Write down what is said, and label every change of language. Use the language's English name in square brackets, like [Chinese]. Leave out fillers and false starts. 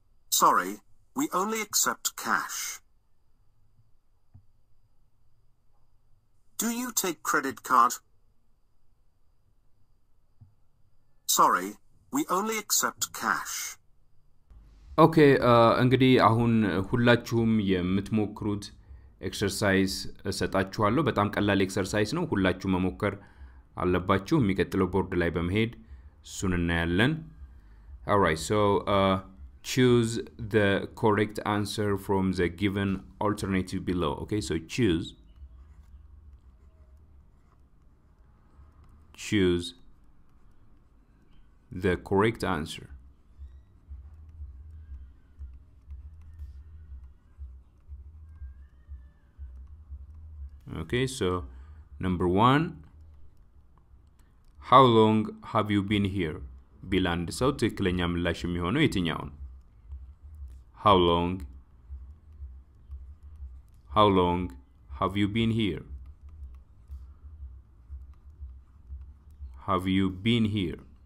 [English] Sorry, we only accept cash. Do you take credit card? Sorry, we only accept cash. [Amharic] Okay, እንግዲህ አሁን ሁላችሁም የምትሞክሩት ኤክሰርሳይዝ እሰጣችኋለሁ። በጣም ቀላል ኤክሰርሳይዝ ነው። ሁላችሁም መሞከር አለባችሁ። የሚቀጥለው ቦርድ ላይ በመሄድ ሱን እናያለን። [English] All right, so choose the correct answer from the given alternative below. Okay, so choose the correct answer. Okay, so number one, how long have you been here? [Amharic] ቢላንድ ሰው ትክክለኛ ምላሽ የሚሆነው የትኛውን? [English] How long have you been here? Have you been here?